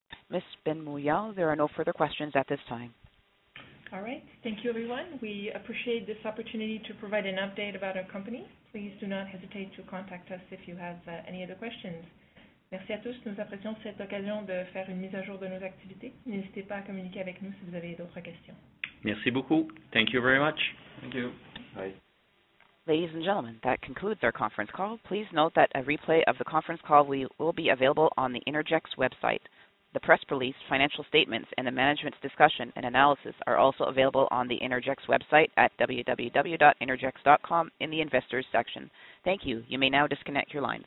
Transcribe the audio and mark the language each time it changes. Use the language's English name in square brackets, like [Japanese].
[English] Ms. Ben-Muyal, there are no further questions at this time. All right. Thank you, everyone. We appreciate this opportunity to provide an update about our company. Please do not hesitate to contact us if you have any other questions. [French] Merci à tous. Nous apprécions cette occasion de faire une mise à jour de nos activités. N'hésitez pas à communiquer avec nous si vous avez d'autres questions. Merci beaucoup. [English] Thank you very much. Thank you. Bye. Ladies and gentlemen, that concludes our conference call. Please note that a replay of the conference call will be available on the Innergex website. The press release, financial statements, and the management's discussion and analysis are also available on the Innergex website at www.innergex.com in the investors section. Thank you. You may now disconnect your lines.